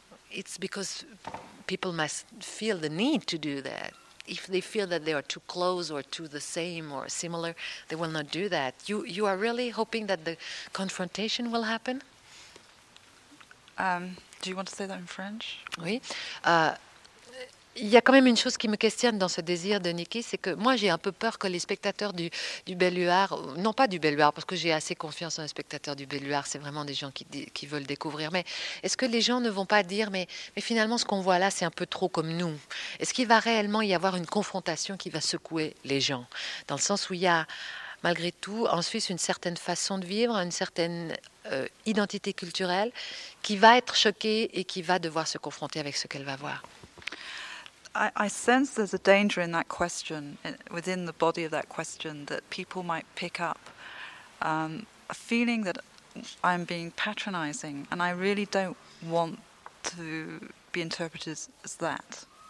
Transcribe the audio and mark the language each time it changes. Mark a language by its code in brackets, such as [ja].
[en] It's because people must feel the need to do that. If they feel that they are too close or too the same or similar, they will not do that. You are really hoping that the confrontation will happen? Do you want to say that in French? [fr] Oui. Il y a quand même une chose qui me questionne dans ce désir de Nikki, c'est que moi j'ai un peu peur que les spectateurs du Béluard, non pas du Béluard, parce que j'ai assez confiance en les spectateurs du Béluard, c'est vraiment des gens qui veulent découvrir, mais est-ce que les gens ne vont pas dire mais finalement ce qu'on voit là c'est un peu trop comme nous? Est-ce qu'il va réellement y avoir une confrontation qui va secouer les gens? Dans le sens où il y a malgré tout en Suisse une certaine façon de vivre, une certaine identité culturelle qui va être choquée et qui va devoir se confronter avec ce qu'elle va voir. [en] I sense there's a danger in that question, within the body of that question, that people might pick up a feeling that I'm being patronizing, and I really don't want to be interpreted as that.